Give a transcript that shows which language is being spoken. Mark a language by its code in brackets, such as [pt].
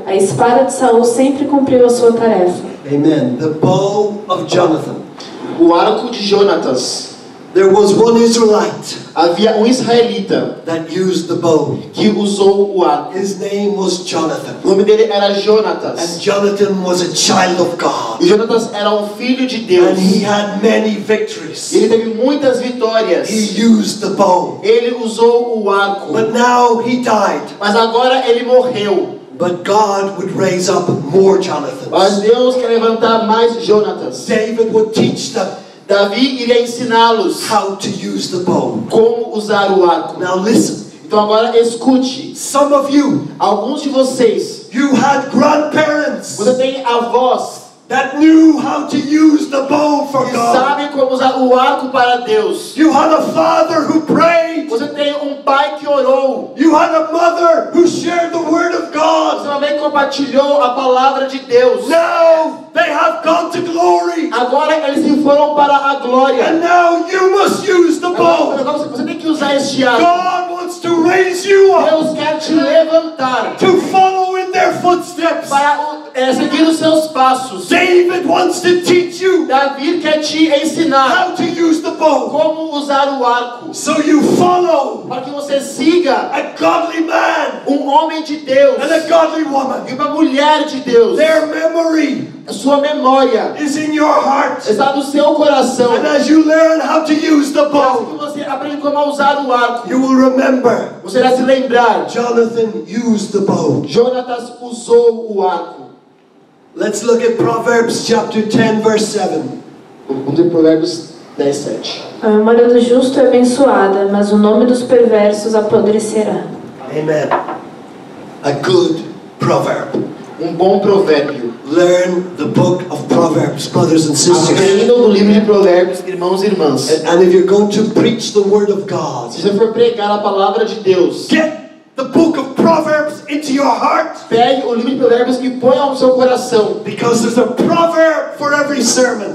[pt] A espada de Saul sempre cumpriu a sua tarefa. [en] Amen. The bow of Jonathan. [pt] O arco de Jonatas. [en] There was one Israelite. [pt] Havia um israelita [en] that used the bow. [pt] Que usou o arco. [en] His name was Jonathan. [pt] O nome dele era Jonatas. [en] And Jonathan was a child of God. [pt] E Jonatas era um filho de Deus. [en] And he had many victories. [pt] Ele teve muitas vitórias. [en] He used the bow. [pt] Ele usou o arco. [en] But now he died. [pt] Mas agora ele morreu. [en] But God would raise up more Jonathans. [pt] Mas Deus quer levantar mais Jonatas. [en] David would teach them. [pt] Davi iria ensiná-los [en] how to use the bow. [pt] Como usar o arco. [en] Now listen. [pt] Então agora escute. [en] Some of you, [pt] alguns de vocês, [en] you had grandparents. [pt] Você tem avós [en] that knew how to use the bow for God. [pt] Sabe como usar o arco para Deus. [en] You had a father who prayed. [pt] Você tem pai que orou. [en] You had a mother who shared the word of God. [pt] Você também compartilhou a palavra de Deus. [en] Now they have gone to glory. [pt] Agora eles se foram para a glória. [en] And now you must use the bow. [pt] Você tem que usar este arco. [en] God wants to raise you up. [pt] Deus quer te levantar. [en] To follow in their footsteps. [pt] Para seguir os seus passos. [en] David wants to teach you. [pt] Davi quer te ensinar. [en] How to use the bow. [pt] Como usar o arco. [en] So you follow. [pt] Para que você siga. [en] A godly man. [pt] Homem de Deus. [en] And a godly woman. [pt] E uma mulher de Deus. [en] Their memory. [pt] A sua memória [en] is in your heart. [pt] Está no seu coração. [en] And as you learn how to use the bow, [pt] assim você aprende como usar o arco, [en] you will remember. [pt] Você irá se lembrar. [en] Jonathan used the bow. [pt] Jonatas usou o arco. [en] Let's look at Proverbs chapter 10, verse 7. [pt] Vamos ler Provérbios 10, 7. A memória do justo é abençoada, mas o nome dos perversos apodrecerá. [en] Amen. A good proverb. [pt] Bom provérbio. [en] Learn the book of Proverbs, brothers and sisters. [pt] Aprendam o livro de Provérbios, irmãos e irmãs. [en] And if you're going to preach the word of God, [pt] se você for pregar a palavra de Deus, [en] get the book of Proverbs into your heart. [pt] Pegue o livro de Provérbios e ponha no seu coração. [en] Because there's a proverb for every sermon.